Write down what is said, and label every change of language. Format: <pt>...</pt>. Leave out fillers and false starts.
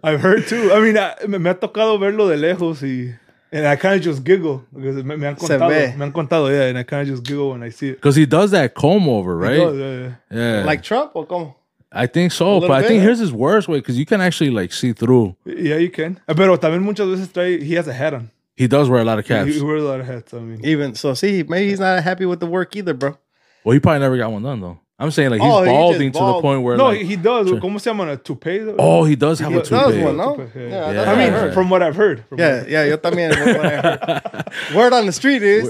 <en>I've heard too. I mean,</en> <es>me ha tocado verlo de lejos,</es> <en>and I kind of just giggle because</en> <es>me han contado,</es> <en>yeah, and I kind of just giggle when I see it. Because he does that comb over, right? He does, yeah. Like Trump or comb? I think so, but bit, I think here's his worst way, because you can actually like see through. Yeah, you can.</en> <es>Pero también muchas veces trae,</es> <en>he has a hat on. He does wear a lot of caps. He wears a lot of hats, I mean. Even, so see, maybe he's not happy with the work either, bro. Well, he probably never got one done, though. I'm saying like he's balding to the point where he does.</en> <es>¿Cómo se llama?</es> <en>A toupee? Oh, he does have a toupee. He does one, no? Yeah. I mean, from what I've heard. Yeah,</en> <es>yo también,</es> <en>from what I heard. Word on the street is.</en>